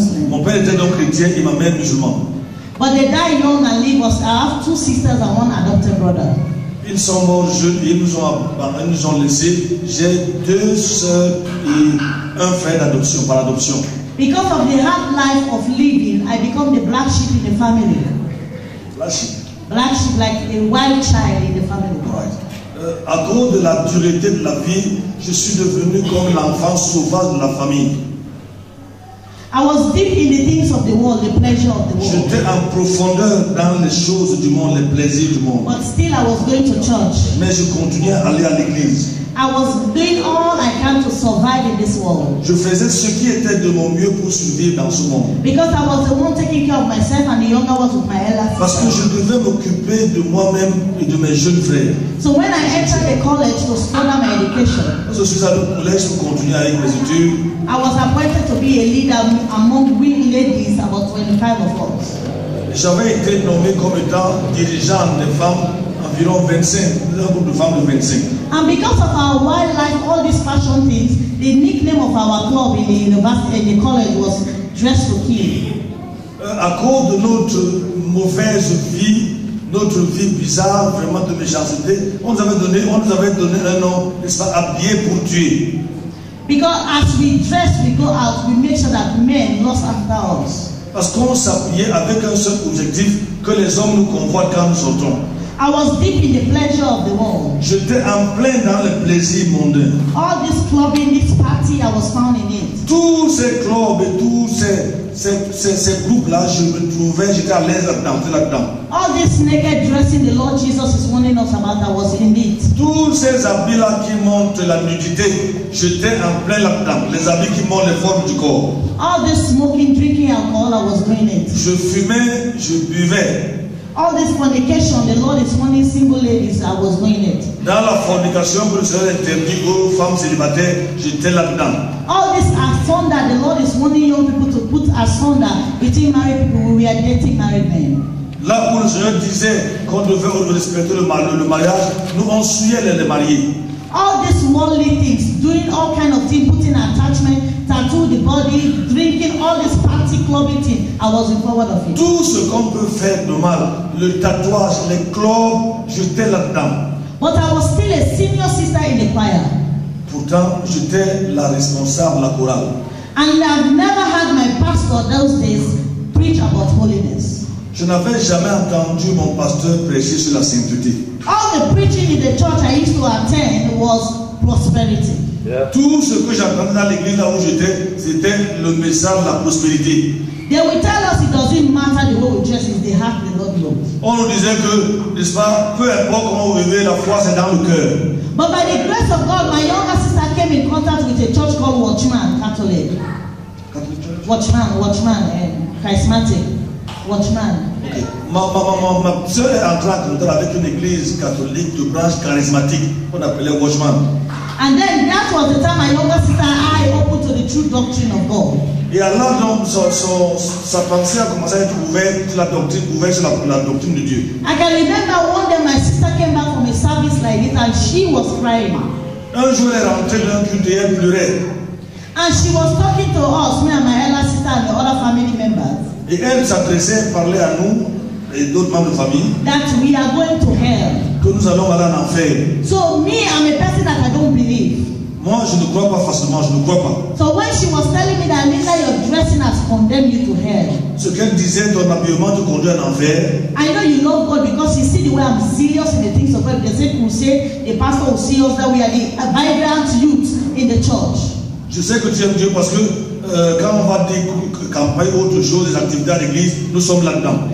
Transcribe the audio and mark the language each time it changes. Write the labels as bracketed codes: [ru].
[fr] Mon père était donc chrétien et ma mère musulmane. [en] But they died young and leave us. I have 2 sisters and 1 adopted brother. [fr] Ils sont morts jeunes et ils nous ont laissés. J'ai 2 sœurs et 1 frère d'adoption, par adoption. [en] Because of the hard life of living, I become the black sheep in the family. Black sheep? Black sheep, like a wild child in the family. Right. [fr] À cause de la dureté de la vie, je suis devenu comme l'enfant sauvage de la famille. [en] I was deep in the things of the world, the pleasure of the world. [fr] J'étais en profondeur dans les choses du monde, les plaisirs du monde. [en] But still I was going to church. [fr] Mais je continuais à aller à l'église. [en] I was doing all I can to survive in this world. [fr] Je faisais ce qui était de mon mieux pour survivre dans ce monde. [en] Because I was the one taking care of myself and the younger ones with my elder sister. [fr] Parce que je devais m'occuper de moi-même et de mes jeunes frères. [en] So when I entered the college to further my education, [fr] je suis allé au collège pour continuer avec mes études. [en] I was appointed to be a leader among we ladies, about 25 of us. [fr] J'avais été nommé comme étant dirigeant des femmes, environ 25, un groupe de femmes de 25. [en] And because of our wild life, all these fashion things, the nickname of our club in the university, in the college was Dress to Kill. [fr] À cause de notre mauvaise vie, notre vie bizarre, vraiment de méchanceté, on nous avait donné un nom, n'est-ce pas, habillé pour tuer. [en] Because as we dress, we go out, we make sure that men lost after us. [fr] Parce qu'on s'appuyait avec un seul objectif, que les hommes nous convoient quand nous sortons. [en] I was deep in the pleasure of the world. [fr] J'étais en plein dans le plaisir mondain. [en] All this clubbing, this party, I was found in it. [fr] Tous ces clubs et tous ces groupes-là, je me trouvais, j'étais à l'aise là-dedans. [en] All this naked dressing the Lord Jesus is warning us about, I was in it. [fr] Tous ces habits-là qui montrent la nudité, j'étais en plein là-dedans. Les habits qui montrent les formes du corps. [en] All this smoking, drinking alcohol, I was doing it. [fr] Je fumais, je buvais. [en] All this fornication, the Lord is warning single ladies, I was doing it. [fr] Dans la fornication que le Seigneur interdit aux femmes célibataires, j'étais là-dedans. [en] All this asunder, the Lord is warning young people to put asunder between married people, we are dating married men. [fr] Là où le Seigneur disait qu'on devait respecter le mariage, nous on suivait les mariés. [en] All these worldly things, doing all kind of things, putting attachment, tattoo the body, drinking, all this party clubbing thing, I was in forward of it. [fr] Tout ce qu'on peut faire de mal, le tatouage, les clubs, j'étais là-dedans. [en] But I was still a senior sister in the choir. [fr] Pourtant, j'étais la responsable, la chorale. [en] And I've never had my pastor those days preach about holiness. [fr] Je n'avais jamais entendu mon pasteur prêcher sur la sainteté. [en] All the preaching in the church I used to attend was prosperity. Yeah. [fr] Tout ce que j'entendais dans l'église là où j'étais, c'était le message de la prospérité. [en] They will tell us it doesn't matter the way we dress if the heart is not pure. [fr] On nous disait que, n'est-ce pas, peu importe comment vous vivez, la foi c'est dans le cœur. [en] But by the grace of God, my younger sister came in contact with a church called Watchman Catholic. Catholic church. Watchman, charismatic. Watchman. Okay. [fr] Ma soeur est entrée en contact avec une église catholique de branche charismatique qu'on appelait Watchman. [en] And then that was the time my younger sister and I opened to the true doctrine of God. [fr] Et alors donc sa pensée a commencé à être ouverte, la doctrine ouverte sur la doctrine de Dieu. [en] I can remember one day my sister came back from a service like this and she was crying. [fr] Un jour elle rentrait d'un culte et elle pleurait. [en] And she was talking to us, me and my elder sister and the other family members. [fr] Et elle s'adressait, parlait à nous et d'autres membres de famille. [en] That we are going to hell. [fr] Que nous allons aller en enfer. [en] So me, I'm a person that I don't believe. [fr] Moi, je ne crois pas facilement, je ne crois pas. [en] So when she was telling me that Lisa, your dressing has condemned you to hell. [fr] Ce qu'elle disait, ton habillement te conduit en enfer. [en] I know you love God because you see the way I'm serious in the things of God. There's a crusade, the pastor will see us that we are a vibrant youth in the church. [fr] Je sais que tu aimes Dieu parce que quand on va dire campagne ou autre chose, des activités à l'église, nous sommes là-dedans.